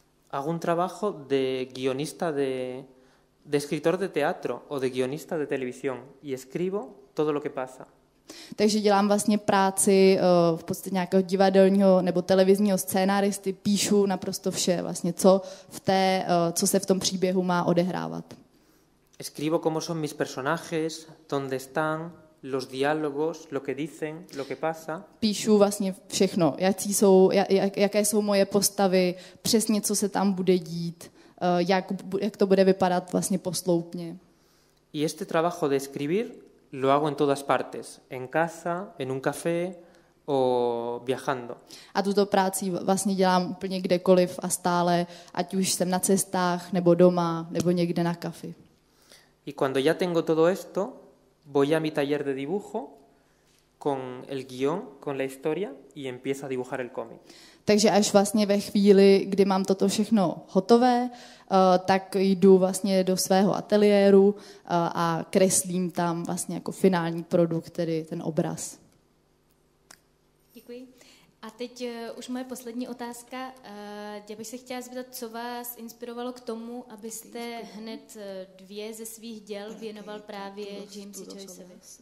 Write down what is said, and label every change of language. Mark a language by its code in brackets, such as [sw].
[es] Hago un trabajo de guionista de escritor de teatro o de guionista de televisión y escribo todo lo que pasa. [cs] Takže dělám vlastně práci v podstatě nějakého divadelního nebo televizního scénáristy, píšu naprosto vše, vlastně co se v tom příběhu má odehrávat. [es] Escribo cómo son mis personajes, dónde están, los diálogos, lo que dicen, lo que pasa. [cs] Píšu vlastně všechno, jaké jsou moje postavy, přesně co se tam bude dít, jak to bude vypadat vlastně posloupně. [es] Y este trabajo de escribir lo hago en todas partes, en casa, en un café o viajando. [cs] A tuto práci vlastně dělám úplně kdekoliv a stále, ať už jsem na cestách, nebo doma, nebo někde na kafi. [es] Y cuando ya tengo todo esto, voy a mi taller de dibujo con el guión, con la historia y empiezo a dibujar el cómic. [cs] Takže až vlastně ve chvíli, kdy mám toto všechno hotové, tak jdu vlastně do svého ateliéru a kreslím tam vlastně jako finální produkt, tedy ten obraz. Děkuji. A teď už moje poslední otázka. Já bych se chtěla zeptat, co vás inspirovalo k tomu, abyste hned dvě ze svých děl věnoval právě Jamesi Joyceovi?